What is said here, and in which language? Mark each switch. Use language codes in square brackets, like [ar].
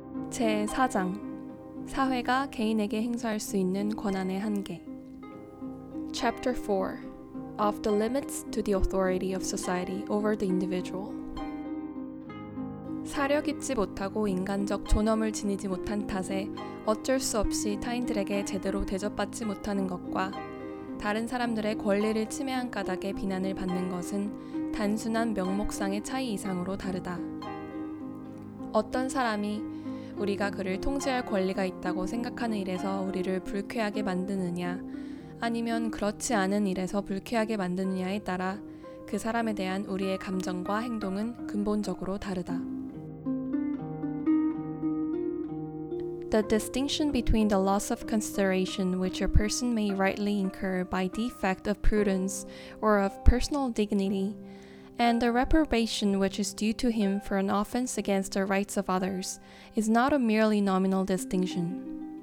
[ko] 제4장, 사회가 개인에게 행사할 수 있는 권한의 한계. [en] Chapter 4, of the limits to the authority of society over the individual. [ko] 사력 있지 못하고 인간적 존엄을 지니지 못한 탓에 어쩔 수 없이 타인들에게 제대로 대접받지 못하는 것과 다른 사람들의 권리를 침해한 까닭에 비난을 받는 것은 단순한 명목상의 차이 이상으로 다르다. 어떤 사람이 우리가 그를 통제할 권리가 있다고 생각하는 일에서 우리를 불쾌하게 만드느냐, 아니면 그렇지 않은 일에서 불쾌하게 만드느냐에 따라 그 사람에 대한 우리의 감정과 행동은 근본적으로 다르다. [en] The distinction between the loss of consideration which a person may rightly incur by defect of prudence or of personal dignity, and the reprobation which is due to him for an offense against the rights of others, is not a merely nominal distinction.